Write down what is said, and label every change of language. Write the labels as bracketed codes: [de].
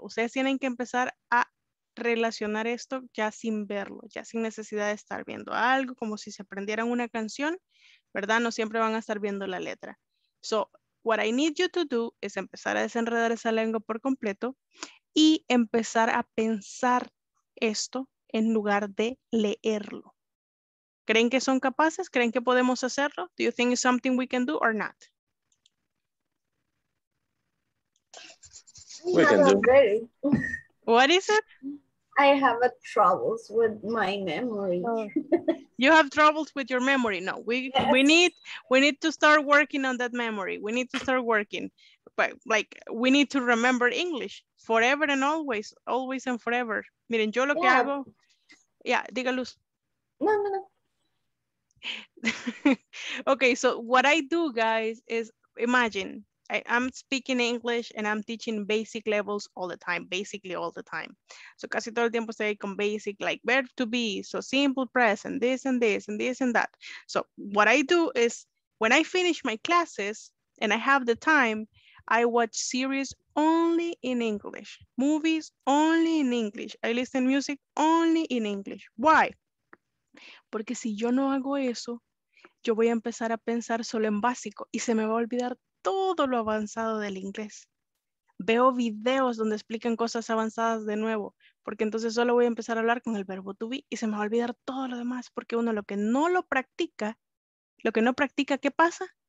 [es] Ustedes tienen que empezar a relacionar esto ya sin verlo, ya sin necesidad de estar viendo algo, como si se aprendieran una canción. ¿Verdad? No siempre van a estar viendo la letra. [en] So, what I need you to do [es] es empezar a desenredar esa lengua por completo y empezar a pensar esto en lugar de leerlo. ¿Creen que son capaces? ¿Creen que podemos hacerlo? [en] Do you think it's something we can do or not? We can do. What is it? I have a troubles with my memory. Oh. You have troubles with your memory. No, we need to start working on that memory. We need to start working. But like, we need to remember English forever and always, always and forever. [es] Miren, yo lo que hago. Yeah, diga luz. No. [en] Okay, so what I do, guys, is imagine I'm speaking English and I'm teaching basic levels all the time, basically all the time. So [es] casi todo el tiempo estoy con [en] basic, like verb to be, so simple present, this and this and this and that. So what I do is when I finish my classes and I have the time, I watch series only in English, movies only in English. I listen music only in English. Why? [es] Porque si yo no hago eso, yo voy a empezar a pensar solo en básico y se me va a olvidar todo lo avanzado del inglés. Veo videos donde explican cosas avanzadas de nuevo, porque entonces solo voy a empezar a hablar con el verbo to be y se me va a olvidar todo lo demás, porque uno lo que no lo practica, lo que no practica, ¿qué pasa?